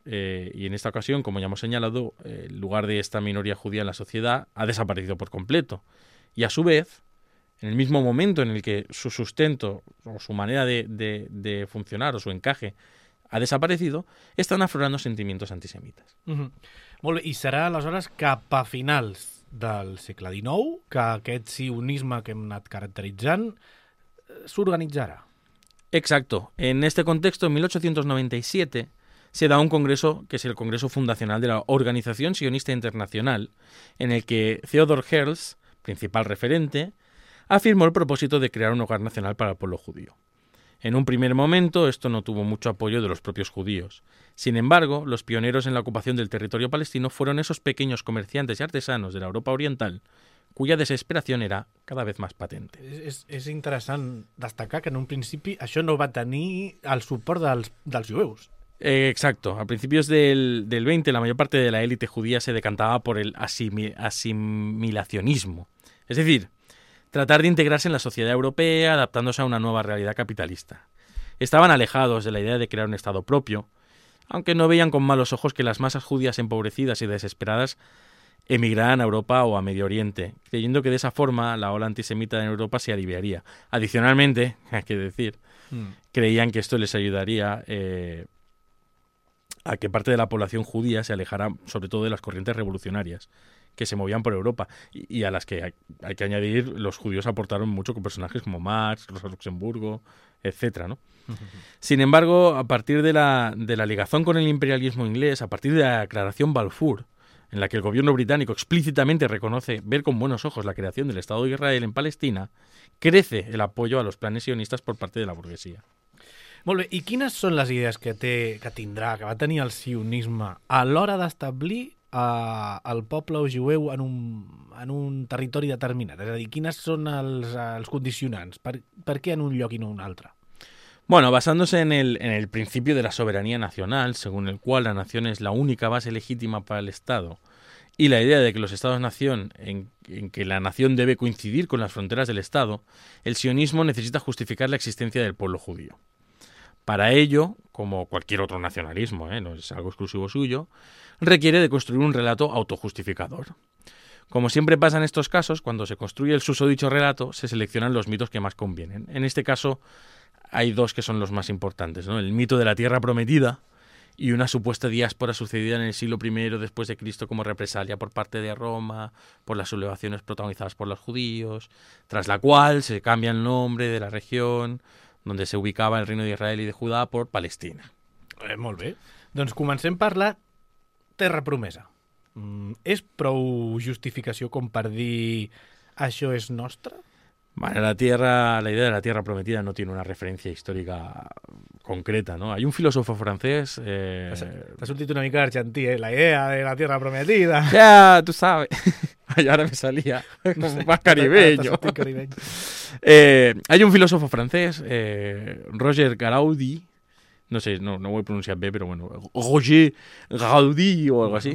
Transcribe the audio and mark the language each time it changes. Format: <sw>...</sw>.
<es>Y en esta ocasión, como ya hemos señalado, el lugar de esta minoría judía en la sociedad ha desaparecido por completo. Y a su vez, en el mismo momento en el que su sustento o su manera de funcionar o su encaje ha desaparecido, están aflorando sentimientos antisemitas.</es> <ca>Molt bé. I serà aleshores cap a finals del segle XIX que aquest sionisme que hem anat caracteritzant s'organitzarà.</ca> <es>Exacto. En este contexto, en 1897, se da un congreso que es el Congreso Fundacional de la Organización Sionista Internacional, en el que Theodor Herzl, principal referente, afirmó el propósito de crear un hogar nacional para el pueblo judío. En un primer momento, esto no tuvo mucho apoyo de los propios judíos. Sin embargo, los pioneros en la ocupación del territorio palestino fueron esos pequeños comerciantes y artesanos de la Europa Oriental, cuya desesperación era cada vez más patente.</es> <ca>És interessant destacar que en un principi això no va tenir el suport dels jueus.</ca> <es>Exacto. A principios del 20, la mayor parte de la élite judía se decantaba por el asimilacionismo. Es decir, tratar de integrarse en la sociedad europea adaptándose a una nueva realidad capitalista. Estaban alejados de la idea de crear un Estado propio, aunque no veían con malos ojos que las masas judías empobrecidas y desesperadas emigrarán a Europa o a Medio Oriente, creyendo que de esa forma la ola antisemita en Europa se aliviaría. Adicionalmente, hay que decir, creían que esto les ayudaría a que parte de la población judía se alejara, sobre todo de las corrientes revolucionarias que se movían por Europa y a las que hay que añadir, los judíos aportaron mucho con personajes como Marx, Rosa Luxemburgo, etcétera, ¿no? Sin embargo, a partir de la ligazón con el imperialismo inglés, a partir de la declaración Balfour, en la que el gobierno británico explícitamente reconoce ver con buenos ojos la creación del Estado de Israel en Palestina, crece el apoyo a los planes sionistas por parte de la burguesía.</es> <ca>Molt bé. I quines són les idees que va tenir el sionisme a l'hora d'establir el poble jueu en un territori determinat? És a dir, quines són els condicionants? Per què en un lloc i no un altre?</ca> <es>Bueno, basándose en el principio de la soberanía nacional, según el cual la nación es la única base legítima para el Estado, y la idea de que los Estados-nación, en que la nación debe coincidir con las fronteras del Estado, el sionismo necesita justificar la existencia del pueblo judío. Para ello, como cualquier otro nacionalismo, no es algo exclusivo suyo, requiere de construir un relato autojustificador. Como siempre pasa en estos casos, cuando se construye el susodicho relato, se seleccionan los mitos que más convienen. En este caso, hay dos que son los más importantes, ¿no? El mito de la Tierra Prometida y una supuesta diáspora sucedida en el siglo I después de Cristo como represalia por parte de Roma, por las sublevaciones protagonizadas por los judíos, tras la cual se cambia el nombre de la región donde se ubicaba el Reino de Israel y de Judá por Palestina.</es> <ca>Molt bé. Doncs comencem per la Terra Promesa. És prou justificació com per dir això és nostre?</ca> <es>Bueno, la idea de la Tierra Prometida no tiene una referencia histórica concreta, ¿no? Hay un filósofo francés...</es> <ca>Te ha sortit una mica argentí, ¿eh?</ca> <es>La idea de la Tierra Prometida. Ya, yeah, tú sabes. Y ahora me salía no sé, más caribeño. hay un filósofo francés, Roger Garaudy, no sé, no voy a pronunciar B, pero bueno, Roger Garaudy o algo así,</es>